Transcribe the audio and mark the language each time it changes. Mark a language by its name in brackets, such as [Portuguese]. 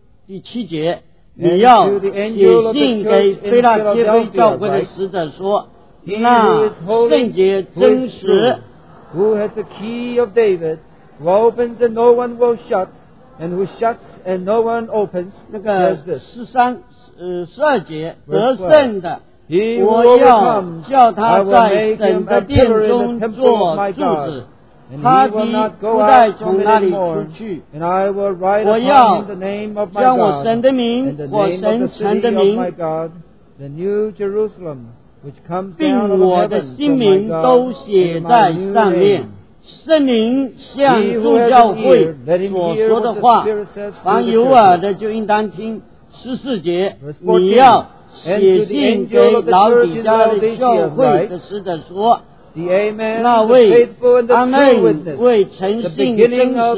[Chinese] 第七节, 你要写信给推拉接非教会的使者说, 那圣洁真实, [English] who has the key of David, who opens and no one will shut, and who shuts and no one opens, [Chinese] 那个十二节, 得胜的, 我要叫他在神的殿中坐住子, 他必不再从那里出去, [English] and I will write upon him the name of my God, and the name of the city of my God, the new Jerusalem, which comes down from heaven, my God, and my new name. [Chinese] 圣灵向众教会所说的话, 凡有耳的就应当听, 十四节，你要写信给老底家的教会的使者说，那位阿门为诚信真实。